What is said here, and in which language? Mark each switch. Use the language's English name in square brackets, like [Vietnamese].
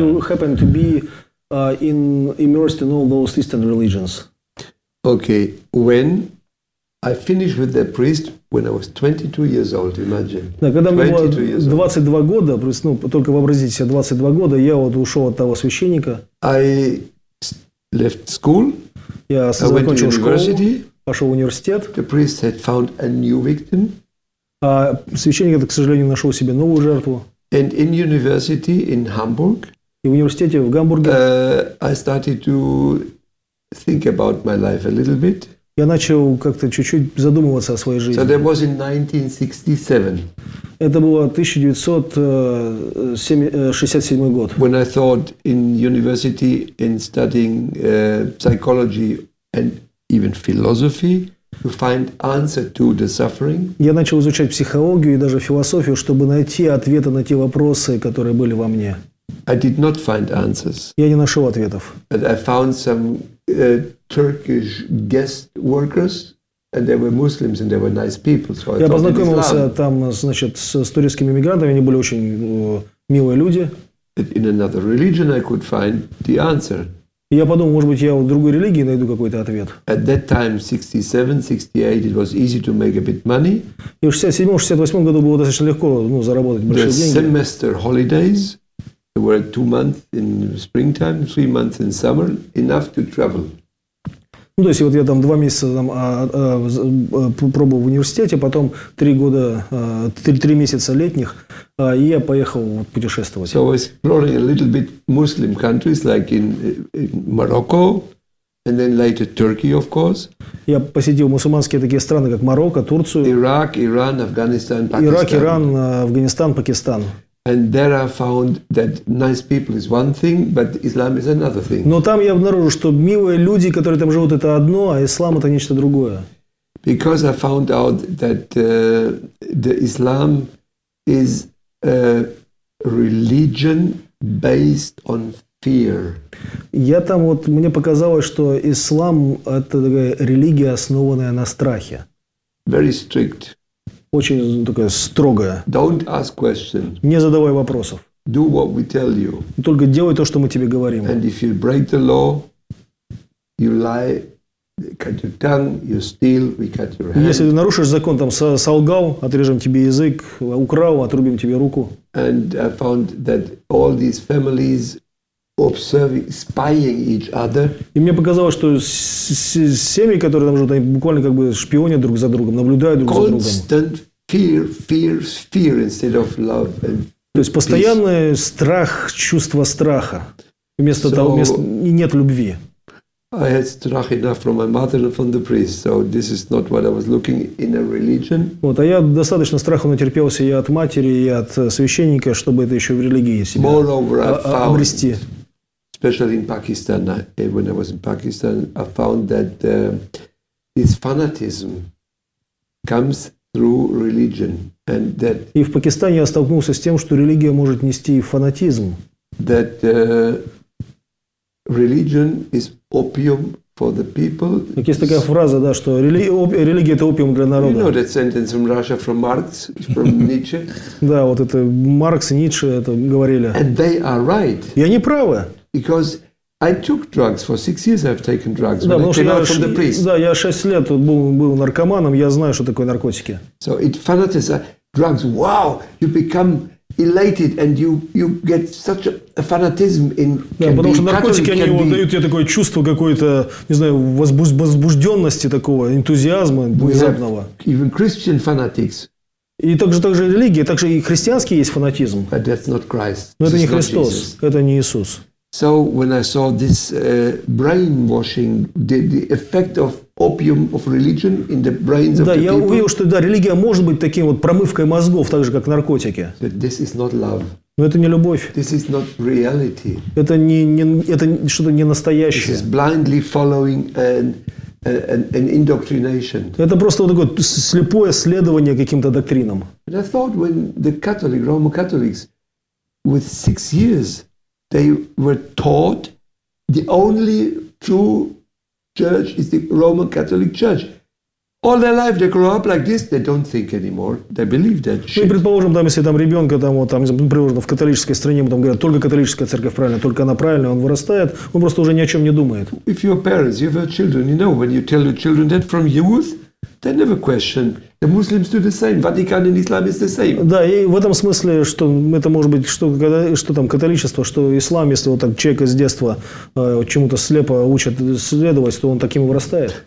[English] And why you happen to be immersed in all those Eastern religions? Okay, when I finished with the priest when I was 22 years old, imagine. [Russian] Да, когда мне было 22 года, ну, только вообразите себе, 22 года, я вот ушел от того священника. [English] I left school. [Russian] Я закончил школу. Пошел в университет. [English] The priest had found a new victim. [Russian] А священник, к сожалению, нашел себе новую жертву. [English] And in university in Hamburg. [Russian] И в университете в Гамбурге. [English] I started to think about my life a little bit. [Russian] Я начал как-то чуть-чуть задумываться о своей жизни. [English] So that was in 1967. [Russian] Это было 1967 год. [English] When I thought in university in studying psychology and even philosophy to find answer to the suffering. [Russian] Я начал изучать психологию и даже философию, чтобы найти ответы на те вопросы, которые были во мне. [English] I did not find answers. [Russian] Я не нашел ответов. [English] But I found some Turkish guest workers, and they were Muslims, and they were nice people. So [Russian] я познакомился там, значит, с турецкими мигрантами. Они были очень милые люди. [English] In another religion, I could find the answer. [Russian] Я подумал, может быть, я в другой религии найду какой-то ответ. [English] At that time, 67-68, it was easy to make a bit money. [Russian] И в 67-68 году было достаточно легко, ну, заработать большие деньги. [English] The semester holidays. There were 2 months in springtime, 3 months in summer, enough to travel. [Russian] Ну, то есть, вот я там 2 месяца там пробовал в университете, потом 3 года, 3 месяца летних, и я поехал вот, путешествовать. [English] So I was exploring a little bit Muslim countries, like in Morocco, and then later Turkey, of course. [Russian] Я посетил мусульманские такие страны, как Марокко, Турцию. Ирак, Иран, Афганистан, Пакистан. Ирак, Иран, Афганистан, Пакистан. [English] And there I found that nice people is one thing, but Islam is another thing. [Russian] Но там я обнаружил, что милые люди, которые там живут, это одно, а ислам это нечто другое. [English] Because I found out that the Islam is a religion based on fear. [Russian] Я там вот мне показалось, что ислам это такая религия, основанная на страхе. [English] Very strict. [Russian] Очень такая строгая. [English] Don't ask questions. [Russian] Не задавай вопросов. [English] Do what we tell you. [Russian] Только делай то, что мы тебе говорим. [English] And if you break the law, you lie, cut your tongue, you steal, we cut your hand. [Russian] Если ты нарушишь закон, там солгал, отрежем тебе язык, украл, отрубим тебе руку. [English] And I found that all these families observing, spying each other. [Russian] И мне показалось, что семьи, которые там живут, они буквально как бы шпионят друг за другом, наблюдают друг [English] Constant [Russian] за другом. [English] Constant fear, fear, fear instead of love and peace. [Russian] То есть постоянный страх, чувство страха вместо so, того, вместо и нет любви. [English] I had strach enough from my mother and from the priest, so this is not what I was looking in a religion. [Russian] Вот, а я достаточно страху натерпелся и от матери, и от священника, чтобы это еще в религии себя [English] Moreover, [Russian] обрести. [English] Especially in Pakistan, when I was in Pakistan, I found that this fanatism comes through religion, and that. [Russian] И в Пакистане я столкнулся с тем, что религия может нести фанатизм. [English] That religion is opium for the people. [Russian] Так есть такая фраза, да, что религия это опиум для народа. [English] You know that sentence from Russia, from Marx, from Nietzsche. [Russian] Да, вот это Маркс и Ницше это говорили. [English] And they are right. [Russian] И они правы. [English] Because I took drugs for 6 years, I've taken drugs. [Russian] Да, [English] when I came out from the priest. [Russian] Да, я 6 лет был наркоманом, я знаю, что такое наркотики. [English] So it fanatism, drugs. Wow, you become elated and you get such a fanatism in. [Russian] Да, потому что наркотики они вот дают тебе такое чувство какой-то, не знаю, возбужденности такого, энтузиазма внезапного. [English] Even Christian fanatics. [Russian] И также религия, также и христианский есть фанатизм. [English] But that's not Christ. [Russian] Но это не Христос, это не Иисус. [English] So when I saw this brainwashing, the effect of opium of religion in the brains of [Russian] да, Да, я увидел, что да, религия может быть таким вот промывкой мозгов, так же как наркотики. [English] But this is not love. [Russian] Но это не любовь. [English] This is not reality. [Russian] Это что-то не настоящее. [English] This is blindly following an indoctrination. [Russian] Это просто вот такое слепое следование каким-то доктринам. [English] And I thought when the Catholic Roman Catholics with 6 years. They were taught the only true church is the Roman Catholic Church. All their life they grow up like this. They don't think anymore. They believe that. [Russian] Мы предположим, там если там ребенка там вот там предположим в католической стране, ему там говорят только католическая церковь правильная, только она правильная, он вырастает, он просто уже ни о чем не думает. [English] If your parents, if your children, you know, when you tell your children that from youth, they never question. The Muslims do the same. Vatican and Islam is the same. [Russian] Да, и в этом смысле, что это может быть, что там католичество, что ислам, если вот так человек с детства чему-то слепо учат следовать, то он таким и вырастает.